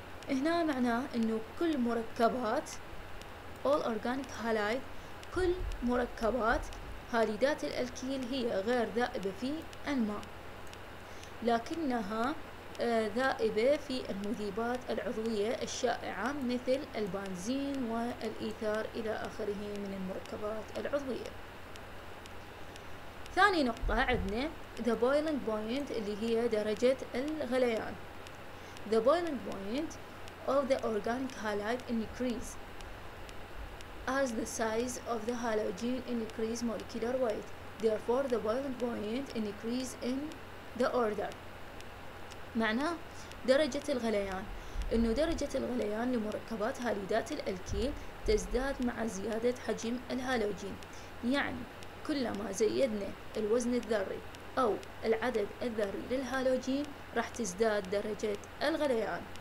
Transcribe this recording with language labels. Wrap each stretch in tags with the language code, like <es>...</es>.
<ar>هنا معناه إنه كل مركبات</ar> <en>all organic halide،</en> <ar>كل مركبات هاليدات الألكيل هي غير ذائبة في الماء لكنها ذائبة في المذيبات العضوية الشائعة مثل البنزين والإيثار إلى آخره من المركبات العضوية. ثاني نقطة عندنا the boiling point اللي هي درجة الغليان.</ar> <en>the boiling point of the organic halide increase as the size of the halogen increase molecular weight therefore the boiling point increase in the order.</en> <ar>معناه درجة الغليان، إنه درجة الغليان لمركبات هاليدات الألكيل تزداد مع زيادة حجم الهالوجين. يعني كلما زيدنا الوزن الذري أو العدد الذري للهالوجين راح تزداد درجة الغليان.</ar>